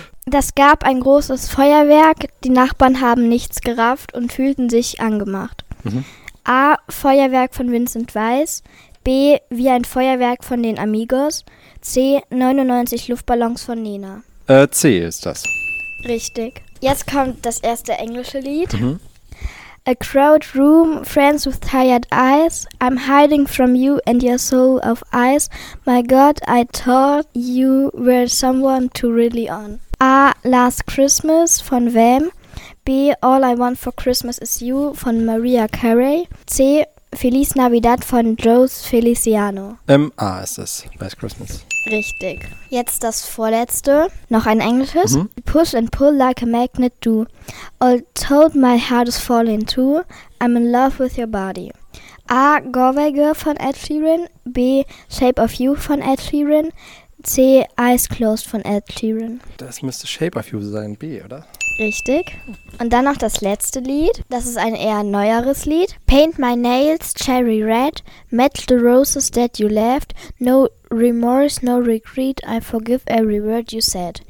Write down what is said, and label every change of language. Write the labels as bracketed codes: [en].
[de] Das gab ein großes Feuerwerk, die Nachbarn haben nichts gerafft und fühlten sich angemacht. Mhm. A, Feuerwerk von Vincent Weiss. B, wie ein Feuerwerk von den Amigos. C, 99 Luftballons von Nena. C ist das. Richtig. Jetzt kommt das erste englische Lied. Mhm. [en] A crowded room, friends with tired eyes. I'm hiding from you and your soul of ice. My God, I thought you were someone to really on. [de] A, Last Christmas von Wham. B, All I Want for Christmas Is You von Mariah Carey. C, Feliz Navidad von Joe Feliciano. A ist es, Last Christmas. Richtig. Jetzt das vorletzte. Noch ein englisches. Mhm. [en] Push and pull like a magnet do. All told my heart is falling too. I'm in love with your body. [de] A, Galway Girl von Ed Sheeran. B, Shape of You von Ed Sheeran. C, Eyes Closed von Ed Sheeran. Das müsste Shape of You sein, B, oder? Richtig. Und dann noch das letzte Lied. Das ist ein eher neueres Lied. [en] Paint my nails cherry red. Match the roses that you left. No remorse, no regret. I forgive every word you said.